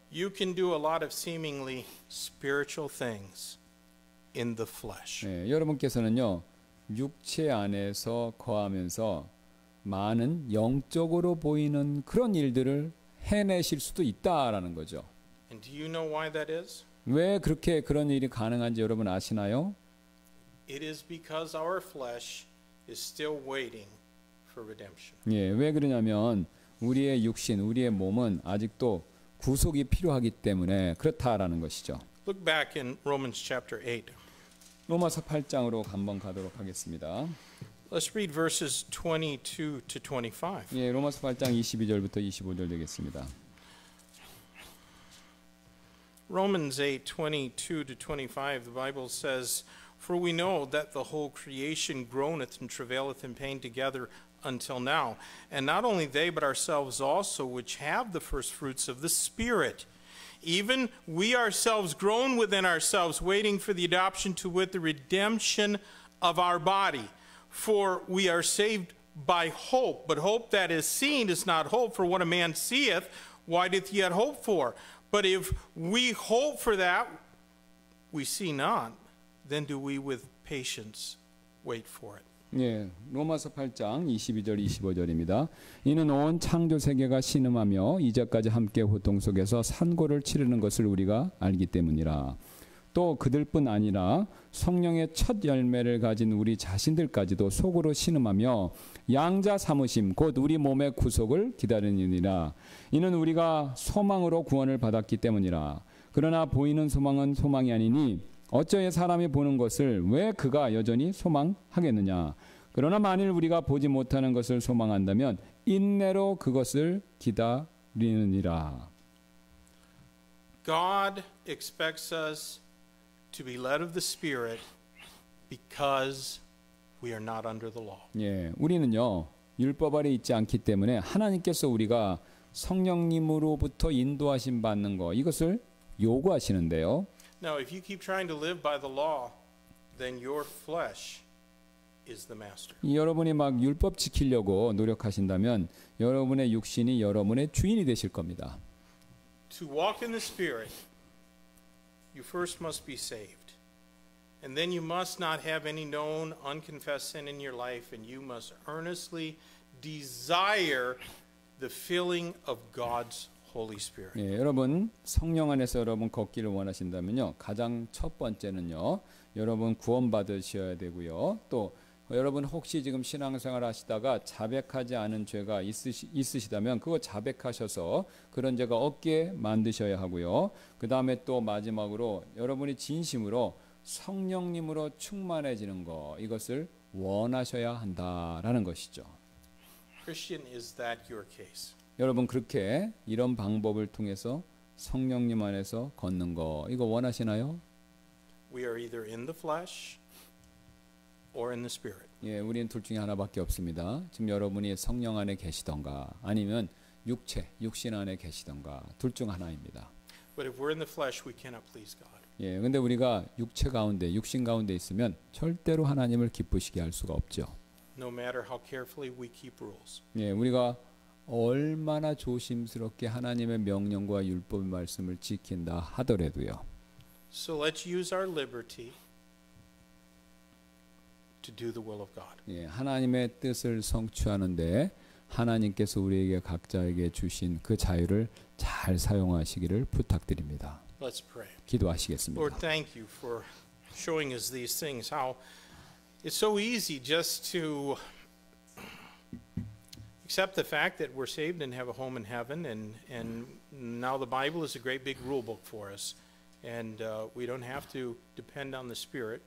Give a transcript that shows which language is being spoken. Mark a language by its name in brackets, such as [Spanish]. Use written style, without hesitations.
[English] You can do a lot of seemingly spiritual things in the flesh. [Korean] 예, 여러분께서는요 육체 안에서 거하면서 많은 영적으로 보이는 그런 일들을 해내실 수도 있다라는 거죠. [English] And do you know why that is? [Korean] 왜 그렇게 그런 일이 가능한지 여러분 아시나요? [English] It is because our flesh is still waiting for redemption. [Korean] 예, 왜 그러냐면 우리의 육신, 우리의 몸은 아직도 구속이 필요하기 때문에 그렇다라는 것이죠. [English] Look back in Romans chapter 8. [Korean] 로마서 8장으로 한번 가도록 하겠습니다. [English] Let's read verses 22 to 25. [Korean] 예, 로마서 8장 22절부터 25절 되겠습니다. [English] Romans 8, 22 to 25, the Bible says, For we know that the whole creation groaneth and travaileth in pain together until now. And not only they, but ourselves also, which have the first fruits of the Spirit. Even we ourselves groan within ourselves, waiting for the adoption to wit the redemption of our body. For we are saved by hope. But hope that is seen is not hope. For what a man seeth, why doth he yet hope for? But if we hope for that we see not, then do we with patience wait for it. [Korean] 예, 로마서 8장 22절 25절입니다. 이는 온 창조 세계가 신음하며 이제까지 함께 호통 속에서 산고를 치르는 것을 우리가 알기 때문이라. 또 그들뿐 아니라 성령의 첫 열매를 가진 우리 자신들까지도 속으로 신음하며 양자 삼으심 곧 우리 몸의 구속을 기다리느니라. 이는 우리가 소망으로 구원을 받았기 때문이라. 그러나 보이는 소망은 소망이 아니니 어쩌여 사람이 보는 것을 왜 그가 여전히 소망하겠느냐. 그러나 만일 우리가 보지 못하는 것을 소망한다면 인내로 그것을 기다리느니라. [English] God expects us to be led of the Spirit because we are not under the law. [Korean] 예, 우리는요 율법 아래 있지 않기 때문에 하나님께서 우리가 성령님으로부터 인도하심 받는 거 이것을 요구하시는데요. [English] Now, if you keep trying to live by the law, then your flesh is the master. [Korean] 여러분이 막 율법 지키려고 노력하신다면 여러분의 육신이 여러분의 주인이 되실 겁니다. [English] To walk in the Spirit, you first must be saved. And then you must not have any known unconfessed sin in your life, and you must earnestly desire the filling of God's Holy Spirit. [Korean] 예, 여러분 성령 안에서 여러분 걷기를 원하신다면요, 가장 첫 번째는요, 여러분 구원 받으셔야 되고요. 또 여러분 혹시 지금 신앙생활 하시다가 자백하지 않은 죄가 있으시다면 그거 자백하셔서 그런 죄가 없게 만드셔야 하고요. 그 다음에 또 마지막으로 여러분이 진심으로 성령님으로 충만해지는 거 이것을 원하셔야 한다라는 것이죠. [English] Christian, is that your case? [Korean] 여러분 그렇게 이런 방법을 통해서 성령님 안에서 걷는 거 이거 원하시나요? [English] We are either in the flesh or in the spirit. [Korean] 예, 우리는 둘 중에 하나밖에 없습니다. 지금 여러분이 성령 안에 계시던가 아니면 육체, 육신 안에 계시던가 둘 중 하나입니다. [English] But if we're in the flesh, we cannot please God. [Korean] 예, 근데 우리가 육체 가운데, 육신 가운데 있으면 절대로 하나님을 기쁘시게 할 수가 없죠. [English] No matter how carefully we keep rules. [Korean] 예, 우리가 얼마나 조심스럽게 하나님의 명령과 율법의 말씀을 지킨다 하더라도요. [English] So let's use our liberty to do the will of God. [Korean] 예, 하나님의 뜻을 성취하는데 하나님께서 우리에게 각자에게 주신 그 자유를 잘 사용하시기를 부탁드립니다. [English] Let's pray. [Korean] 기도하시겠습니다. [English] Lord, thank you for showing us these things. How it's so easy just to accept the fact that we're saved and have a home in heaven, and now the Bible is a great big rule book for us, and we don't have to depend on the Spirit.